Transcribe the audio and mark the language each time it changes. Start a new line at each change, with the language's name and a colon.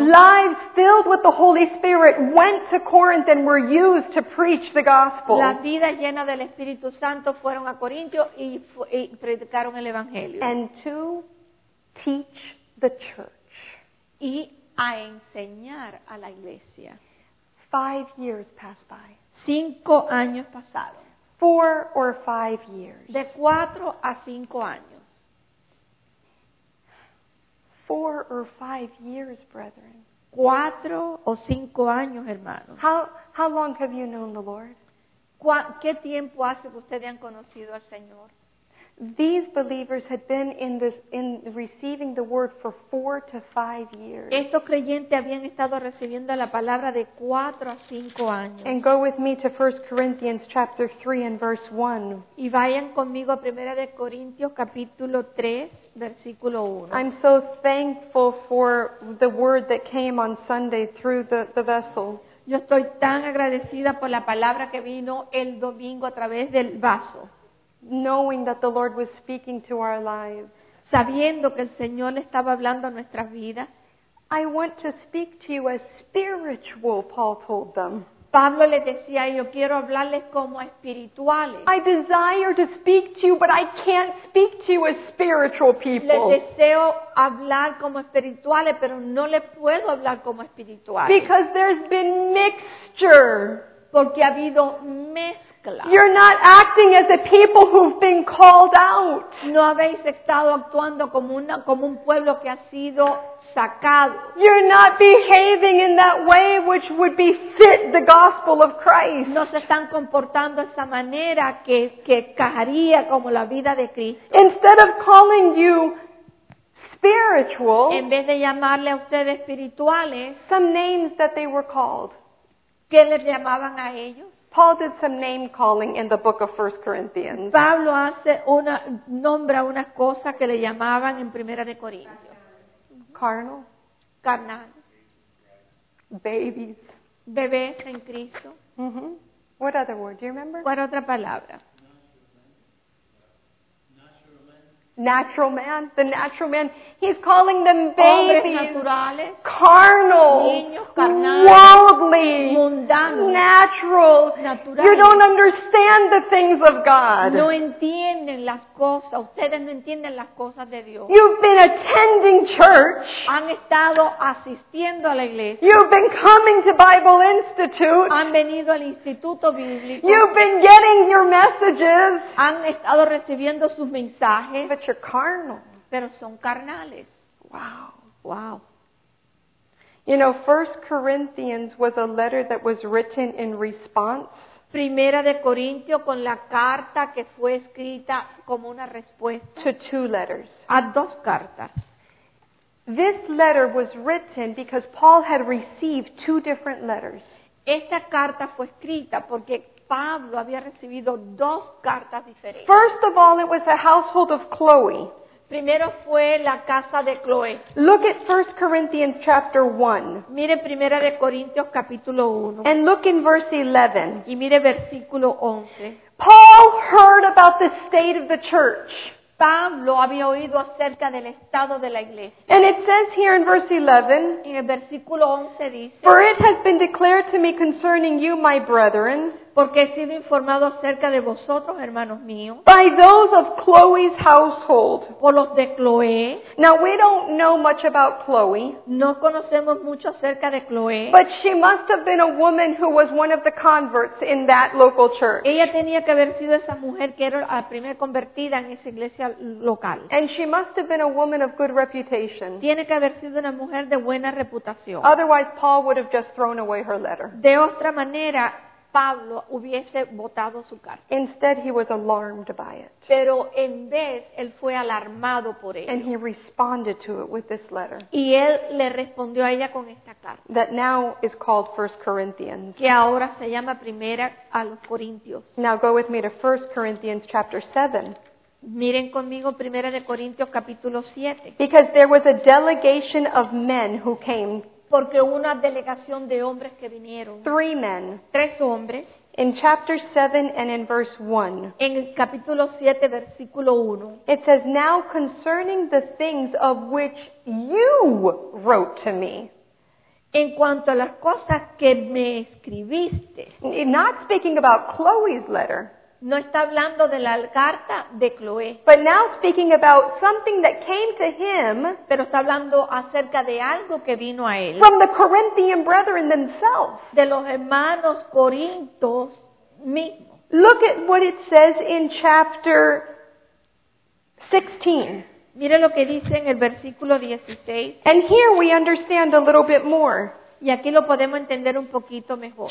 English: Lives filled with the Holy Spirit went to Corinth and were used to preach the gospel.
Spanish: Las vidas llenas del Espíritu Santo fueron a Corinto y predicaron el Evangelio.
English: And to teach the church.
Spanish: Y a enseñar a la iglesia.
English: 5 years passed by.
Spanish: 5 años pasaron.
English: 4 or 5 years.
Spanish: De 4 a 5 años.
English: 4 or 5 years, brethren.
Spanish: 4 o 5 años, hermanos.
English: How long have you known the Lord?
Spanish: ¿Qué tiempo hace que ustedes han conocido al Señor?
English: These believers had been in receiving the word for 4 to 5 years.
Spanish: Estos creyentes habían estado recibiendo la palabra de 4 a 5 años.
English: And go with me to 1 Corinthians chapter 3 and verse 1.
Spanish: Y vayan conmigo a 1 de Corintios capítulo 3, versículo 1.
English: I'm so thankful for the word that came on Sunday through the vessel.
Spanish: Yo estoy tan agradecida por la palabra que vino el domingo a través del vaso.
English: Knowing that the Lord was speaking to our lives.
Spanish: Sabiendo que el Señor estaba hablando a nuestras vidas.
English: I want to speak to you as spiritual, Paul told them.
Spanish: Pablo les decía, yo quiero hablarles como espirituales.
English: I desire to speak to you, but I can't speak to you as spiritual people.
Spanish: Les deseo hablar como espirituales, pero no les puedo hablar como espirituales.
English: Because there's been mixture.
Spanish: Porque ha habido mezcla.
English: You're not acting as a people who've been called out.
Spanish: No habéis estado actuando como un pueblo que ha sido sacado.
English: You're not behaving in that way which would be fit the gospel of Christ.
Spanish: No se están comportando de esa manera que encajaría como la vida de Cristo.
English: Instead of calling you spiritual,
Spanish: en vez de llamarle a ustedes espirituales,
English: some names that they were called.
Spanish: ¿Qué les llamaban a ellos?
English: Paul did some name calling in the book of 1 Corinthians.
Spanish: Pablo hace una nombra una cosa que le llamaban en Primera de Corintios.
English: Carnal.
Spanish: Carnal.
English: Babies.
Spanish: Bebés en Cristo. Mm-hmm.
English: What other word? Do you remember?
Spanish: ¿Cuál otra palabra?
English: Natural man, the natural man. He's calling them babies,
Spanish: naturales,
English: carnal,
Spanish: niños carnales,
English: worldly,
Spanish: mundanos,
English: natural.
Spanish: Naturales.
English: You don't understand the things of God.
Spanish: No entienden las cosas. Ustedes no entienden las cosas de Dios.
English: You've been attending church.
Spanish: Han estado asistiendo a la iglesia.
English: You've been coming to Bible Institute.
Spanish: Han venido al Instituto Bíblico.
English: You've been getting your messages.
Spanish: Han estado recibiendo sus mensajes.
English: But you're carnal.
Spanish: Pero son carnales.
English: Wow. You know, 1 Corinthians was a letter that was written in response.
Spanish: Primera de Corintio con la carta que fue escrita como una respuesta.
English: To 2 letters.
Spanish: A 2 cartas.
English: This letter was written because Paul had received 2 different letters.
Spanish: Esta carta fue escrita porque Pablo había recibido 2 cartas diferentes.
English: First of all, it was the household of Chloe.
Spanish: Primero fue la casa de Chloe.
English: Look at 1 Corinthians chapter 1.
Spanish: Mire Primera de Corintios capítulo 1.
English: And look in verse 11.
Spanish: Y mire versículo 11.
English: Paul heard about the state of the church.
Spanish: Pablo había oído acerca del estado de la iglesia.
English: And it says here in verse 11,
Spanish: y en el versículo 11 dice,
English: For it has been declared to me concerning you, my brethren,
Spanish: Porque he sido informado acerca de vosotros, hermanos míos.
English: By those of Chloe's household.
Spanish: Por los de Chloe.
English: Now we don't know much about Chloe.
Spanish: No conocemos mucho acerca de Chloe.
English: But she must have been a woman who was one of the converts in that local church.
Spanish: Ella tenía que haber sido esa mujer que era la primera convertida en esa iglesia local.
English: And she must have been a woman of good reputation.
Spanish: Tiene que haber sido una mujer de buena reputación.
English: Otherwise, Paul would have just thrown away her letter.
Spanish: De otra manera, Pablo hubiese botado su carta.
English: Instead, he was alarmed by it.
Spanish: Pero en vez, él fue alarmado por ello.
English: And he responded to it with this letter.
Spanish: Y él le respondió a ella con esta carta.
English: That now is called 1 Corinthians.
Spanish: Que ahora se llama Primera a los Corintios.
English: Now go with me to 1 Corinthians chapter 7.
Spanish: Miren conmigo Primera de Corintios capítulo 7.
English: Because there was a delegation of men who came.
Spanish: Porque una delegación de hombres que vinieron.
English: Three men.
Spanish: Tres hombres.
English: In chapter 7 and in verse 1.
Spanish: En el capítulo 7, versículo 1.
English: It says, now concerning the things of which you wrote to me.
Spanish: En cuanto a las cosas que me escribiste.
English: Not speaking about Chloe's letter.
Spanish: No está hablando de la carta de Chloe.
English: But now speaking about something that came to him.
Spanish: Pero está hablando acerca de algo que vino a él.
English: From the Corinthian brethren themselves.
Spanish: De los hermanos corintos mismos.
English: Look at what it says in chapter 16.
Spanish: Mire lo que dice en el versículo 16.
English: And here we understand a little bit more.
Spanish: Y aquí lo podemos entender un poquito mejor.